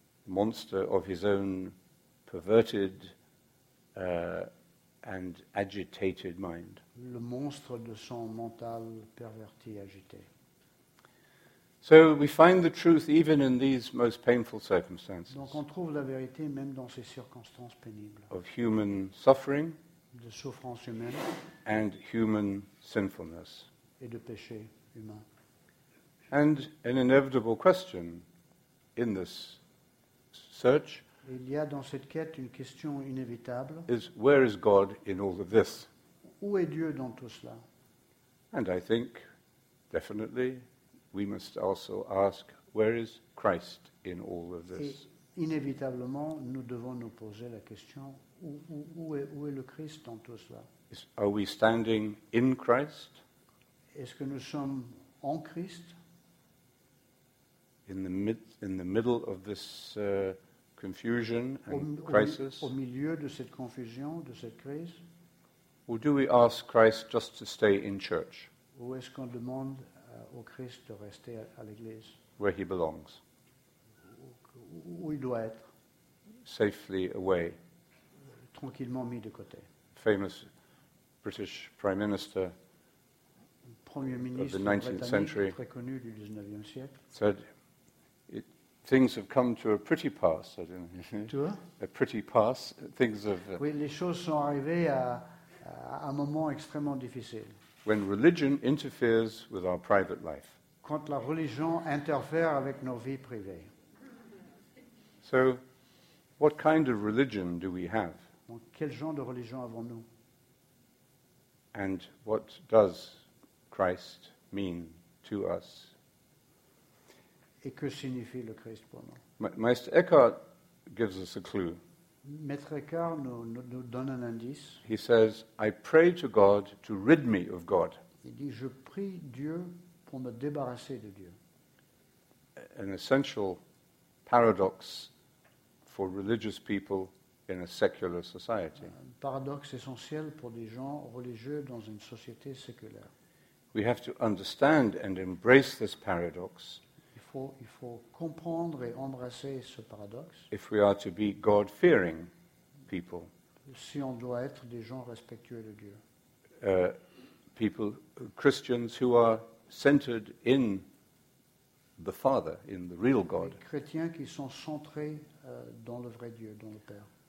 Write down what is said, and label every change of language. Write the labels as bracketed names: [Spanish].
[English] The monster of his own perverted and agitated mind. [French] Le monstre de son mental perverti et agité. [English] So we find the truth even in these most painful circumstances. [French] Donc on trouve la vérité même dans ces circonstances pénibles. [English] Of human suffering, [French] de souffrance humaine, [English] and human sinfulness, [French] et de péché humain. [English] And an inevitable question in this search. [French] Il y a dans cette quête une question inévitable. [English] Is where is God in all of this? [French] Où est Dieu dans tout cela? [English] And I think, definitely, we must also ask, where is Christ in all of this? [French] Et inévitablement, nous devons nous poser la question, où est le Christ dans tout cela? [English] Are we standing in Christ? [French] Est-ce que nous sommes en Christ? [English] In the middle of this confusion and crisis? [French] Au milieu de cette confusion, de cette crise? [English] Or do we ask Christ just to stay in church? [French] Ou est-ce qu'on demande au Christ de rester à l'église? [English] Where he belongs. [French] Où il doit être. [English] Safely away. [French] Tranquillement mis de côté. [English] Famous British Prime Minister [French] Premier ministre [English] of the 19th century [French] très connu du 19e siècle, [English] said, things have come to a pretty pass. I don't know. A pretty pass. Things have. [French] Oui, les choses sont arrivées à un moment extrêmement difficile. [English] When religion interferes with our private life. [French] Quand la religion interfère avec nos vies privées. [English] So, what kind of religion do we have? [French] Donc, quel genre de religion avons-nous? [English] And what does Christ mean to us? [French] Et que signifie le Christ pour nous? [English] Maître Eckhart gives us a clue. [French] Maître Eckhart nous donne un indice. [English] He says, I pray to God to rid me of God. [French] Il dit, je prie Dieu pour me débarrasser de Dieu. [English] An essential paradox for religious people in a secular society. [French] Un paradoxe essentiel pour des gens religieux dans une société séculaire. [English] We have to understand and embrace this paradox. [French] Il faut comprendre et embrasser ce paradoxe. [English] If we are to be God-fearing people, [French] si on doit être des gens respectueux de Dieu, [English] people, Christians who are centered in the Father, in the real God, [French] les chrétiens qui sont centrés dans le vrai Dieu, dans le Père,